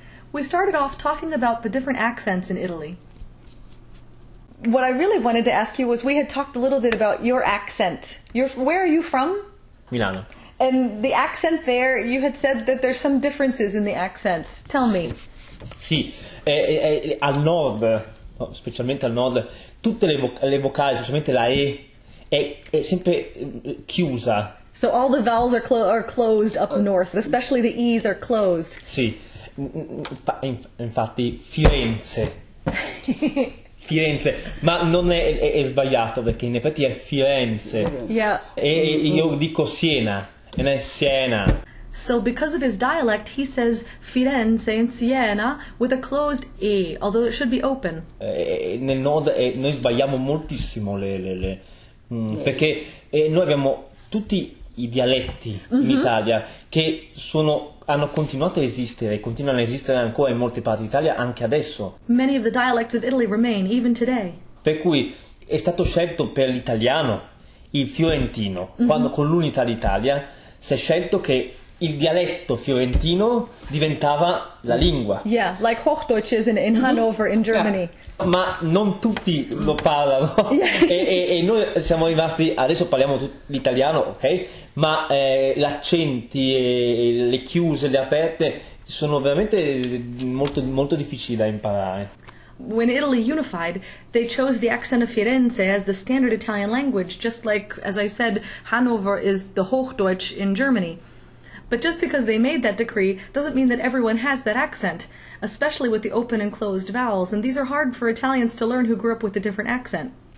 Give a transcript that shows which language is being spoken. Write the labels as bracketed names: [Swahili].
[English] We started off talking about the different accents in Italy. What I really wanted to ask you was, we had talked a little bit about your accent. Where are you from? Milano. And the accent there, you had said that there's some differences in the accents. Tell me. [Italian] Sì, al nord, specialmente al nord, tutte le vocali, specialmente la E, è sempre chiusa. [English] So all the vowels are closed up north, especially the E's are closed. [Italian] Sì, infatti Firenze. Firenze, ma non è sbagliato perché in effetti è Firenze. [English] Yeah. [Italian] E io dico Siena, e non è Siena. [English] So because of his dialect, he says Firenze in Siena with a closed E, although it should be open. [Italian] Nel nord noi sbagliamo moltissimo le. Perché noi abbiamo tutti i dialetti in Italia che hanno continuato a esistere e continuano a esistere ancora in molte parti d'Italia anche adesso. [English] Many of the dialects of Italy remain even today. [Italian] Per cui è stato scelto per l'italiano il fiorentino, quando con l'unità d'Italia si è scelto che il dialetto fiorentino diventava la lingua. [English] Yeah, like Hochdeutsch is in Hanover, in Germany. [Italian] Ma non tutti lo parlano. E noi siamo rimasti, adesso parliamo l'italiano, ok? Ma gli accenti, le chiuse, le aperte, sono veramente molto, molto difficili da imparare. [English] When Italy unified, they chose the accent of Firenze as the standard Italian language, just like, as I said, Hanover is the Hochdeutsch in Germany. But just because they made that decree doesn't mean that everyone has that accent, especially with the open and closed vowels, and these are hard for Italians to learn who grew up with a different accent.